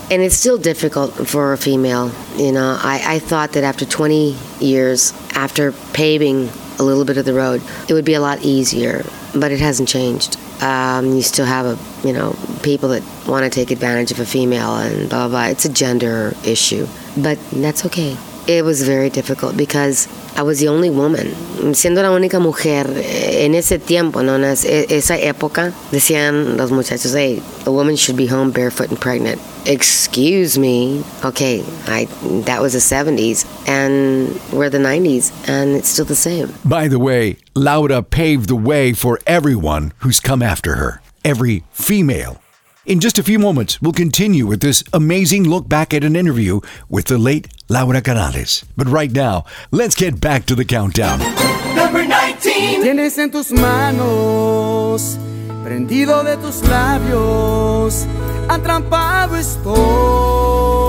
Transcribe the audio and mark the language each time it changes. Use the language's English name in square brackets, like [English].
[English] And it's still difficult for a female. You know, I thought that after 20 years, after paving a little bit of the road, it would be a lot easier. But it hasn't changed. You still have, people that want to take advantage of a female and blah, blah, blah. It's a gender issue. But that's okay. It was very difficult because I was the only woman. [Spanish] Siendo la única mujer en ese tiempo, ¿no? Esa época, decían los muchachos, [English] hey, a woman should be home barefoot and pregnant. Excuse me. Okay, that was the 70s, and we're the 90s, and it's still the same. By the way, Laura paved the way for everyone who's come after her, every female. In just a few moments, we'll continue with this amazing look back at an interview with the late Laura Canales. But right now, let's get back to the countdown. Number 19. [Spanish] Tienes en tus manos, prendido de tus labios, atrapado estoy.